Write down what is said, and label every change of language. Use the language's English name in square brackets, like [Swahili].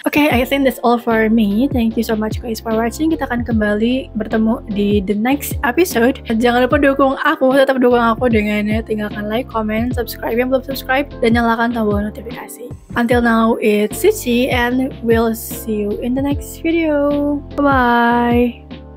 [English] Okay, I think that's all for me. Thank you so much guys for watching. [Indonesian] Kita akan kembali bertemu di [English] the next episode. [Indonesian] Jangan lupa dukung aku, tetap dukung aku dengan tinggalkan like, comment, subscribe yang belum subscribe, dan nyalakan tombol notifikasi. [English] Until now, it's Cici, and we'll see you in the next video. Bye-bye!